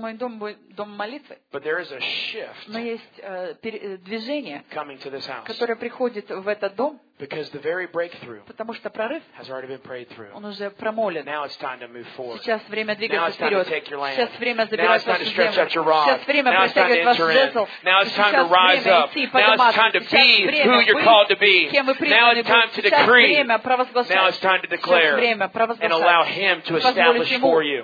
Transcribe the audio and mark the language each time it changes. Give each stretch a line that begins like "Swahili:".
Russian: Мой дом будет домом молитвы.
English: But there is a shift
Russian: но есть движение
English: coming to this house
Russian: которое приходит в этот дом
English: because the very breakthrough
Russian: потому что прорыв
English: has already been prayed through.
Russian: Он уже промолен.
English: Now it's time to move forward.
Russian: Сейчас время двигаться вперед. Сейчас время забирать вашу землю. Сейчас время протягивать ваш жезл.
English: Now it's time to rise up. Now it's time to be who you're called to be. Now it's time to decree. Now it's time to declare and allow Him to establish for you.